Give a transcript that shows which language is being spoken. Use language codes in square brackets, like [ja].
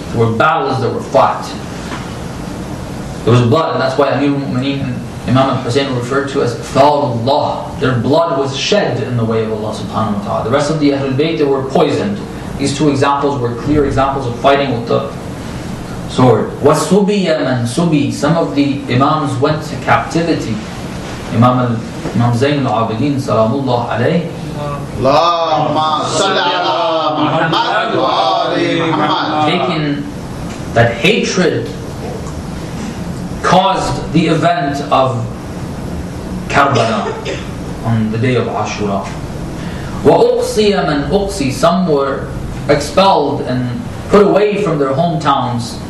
[en] There were battles that were fought. There was blood, and that's why Amir al-Mu'mineen and Imam al-Hussein were referred to as Fa'alullah. Their blood was shed in the way of Allah subhanahu wa ta'ala. The rest of the Ahlul Bayt, they were poisoned. These two examples were clear examples of fighting with the sword. [ar] وَسُبِيَ مَنْ سُبِي [en] Some of the Imams went to captivity. Imam Zain al-Abidin, Salamullah alayhi. [ar] اللهم صل على محمد وآل محمد. [en] Taking that hatred caused the event of Karbala on the day of Ashura. [ar] وَأُقْصِيَ مَنْ أُقْصِي [en] Some were expelled and put away from their hometowns.